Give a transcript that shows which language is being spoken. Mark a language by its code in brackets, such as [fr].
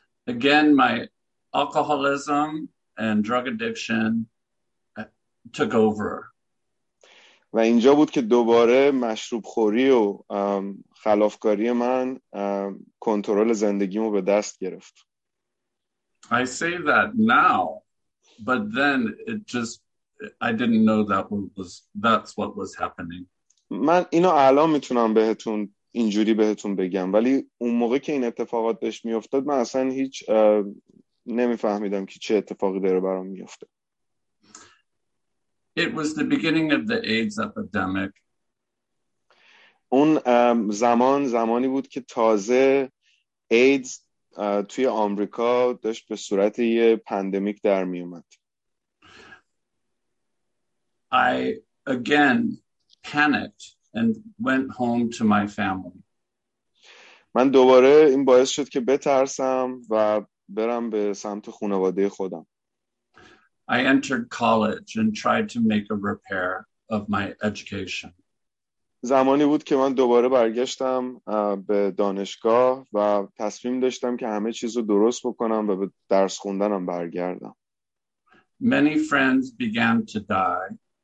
[en] Again, my alcoholism and drug addiction took over. [fa] و اینجا بود که دوباره مشروب خوری و خلافکاری من کنترل زندگیمو به دست گرفت. [en] I say that now, but then it just, I didn't know that was, that's what was happening. [fa] من اینو الان میتونم بهتون اینجوری بهتون بگم، ولی اون موقع که این اتفاقات بهش میافتاد من اصلا هیچ نمیفهمیدم که چه اتفاقی داره برام میافته. [en] It was the beginning of the AIDS epidemic. [fa] اون زمانی بود که تازه AIDS توی آمریکا داشت به صورت یه پندمیک در می اومد. [en] I again panicked and went home to my family. [fa] من دوباره این باعث شد که بترسم و برم به سمت خانواده خودم. [en] I entered college and tried to make a repair of my education. [fa] زمانی بود که من دوباره برگشتم به دانشگاه و تصمیم داشتم که همه چیز رو درست بکنم و به درس خوندنم برگردم. [en] Many friends began to die.